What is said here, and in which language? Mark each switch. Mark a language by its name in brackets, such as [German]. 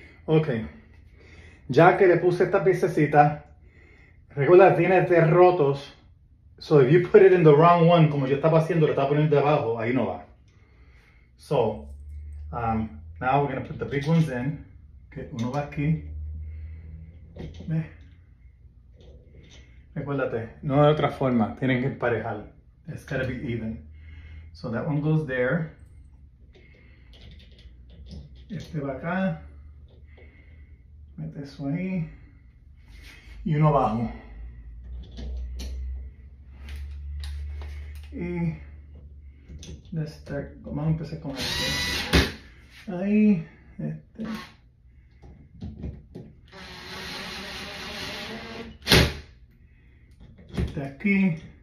[Spanish] Ok, ya que le puse esta piececita, recuerda que tiene tres rotos. [English] So, if you put it in the wrong one, [Spanish] como yo estaba haciendo, lo estaba poniendo debajo, ahí no va. [English] So, now we're going to put the big ones in. [Spanish] Okay, uno va aquí. ¿Ve? Recuérdate, no hay otra forma, tienen que emparejar. [English] It's got to be even. So, that one goes there. [Spanish] Este va acá. Mete eso ahí y uno abajo y este, vamos a empezar con este ahí, este de aquí.